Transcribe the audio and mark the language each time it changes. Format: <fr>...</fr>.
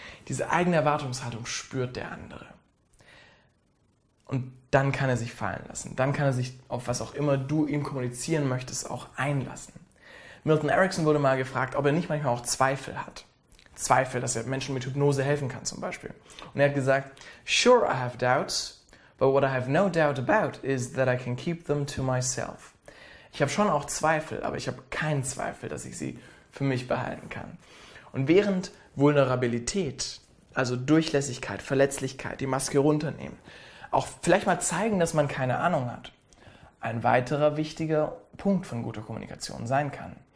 <de>Diese eigene Erwartungshaltung spürt der andere. Und dann kann er sich fallen lassen. Dann kann er sich auf was auch immer du ihm kommunizieren möchtest, auch einlassen. Milton Erickson wurde mal gefragt, ob er nicht manchmal auch Zweifel hat. Zweifel, dass er Menschen mit Hypnose helfen kann zum Beispiel. Und er hat gesagt,</de> <en>sure I have doubts, but what I have no doubt about is that I can keep them to myself.</en> <de>Ich habe schon auch Zweifel, aber ich habe keinen Zweifel, dass ich sie für mich behalten kann. Und während Vulnerabilität, also Durchlässigkeit, Verletzlichkeit, die Maske runternehmen, auch vielleicht mal zeigen, dass man keine Ahnung hat, ein weiterer wichtiger Punkt von guter Kommunikation sein kann.</de>